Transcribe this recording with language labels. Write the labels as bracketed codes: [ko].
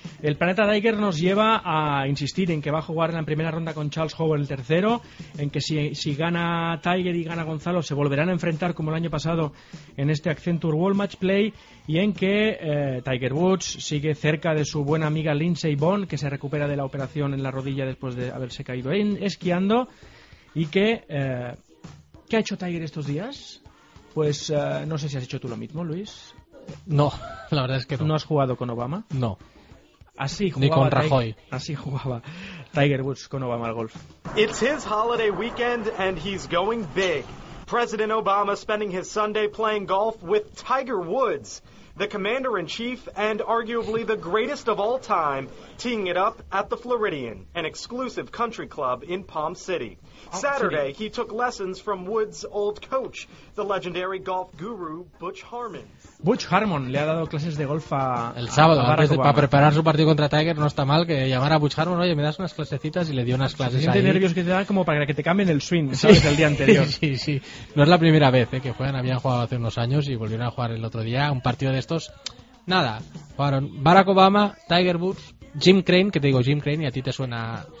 [es] El Planeta Tiger nos lleva a insistir en que va a jugar en la primera ronda con Charles Howell, el tercero, en que si gana Tiger y gana Gonzalo, se volverán a enfrentar como el año pasado en este Accenture World Match Play, y en que Tiger Woods sigue cerca de su buena amiga Lindsey Vonn, que se recupera de la operación en la rodilla después de haberse caído esquiando, y que ¿qué ha hecho Tiger estos días? Pues no sé si has hecho tú lo mismo, Luis. No, la verdad es que no. ¿No has jugado con Obama? No. Así jugaba, ni con Rajoy. Así jugaba Tiger Woods con Obama al golf. [en] It's his holiday weekend and he's going big. President Obama spending his Sunday playing golf with Tiger Woods, the commander-in-chief and arguably the greatest of all time, teeing it up at the Floridian, an exclusive country club in Palm City. Saturday, he took lessons from Woods' old coach, the legendary golf guru Butch Harmon. [es] Butch Harmon le ha dado clases de golf a el sábado, a Barack antes de, Obama. Para preparar su partido contra Tiger, no está mal que llamara a Butch Harmon, oye, me das unas clasecitas, y le dio unas clases ahí. Siente nervios que te dan como para que te cambien el swing, ¿sabes? Sí. El día anterior. Sí, sí. No es la primera vez que juegan, habían jugado hace unos años y volvieron a jugar el otro día. Un partido de estos, nada, jugaron Barack Obama, Tiger Woods, Jim Crane, que te digo Jim Crane y a ti te suena...